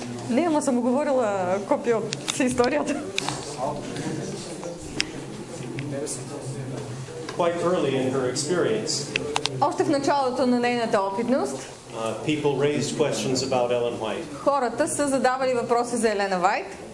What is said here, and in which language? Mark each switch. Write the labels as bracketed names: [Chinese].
[Bulgarian] Не, ама съм говорила копия от историята. [English] Quite early in her experience. [Bulgarian] Още в началото на нейната опитност. [English] People raised questions about Ellen White. [Bulgarian] Хората са задавали въпроси за Елена Вайт.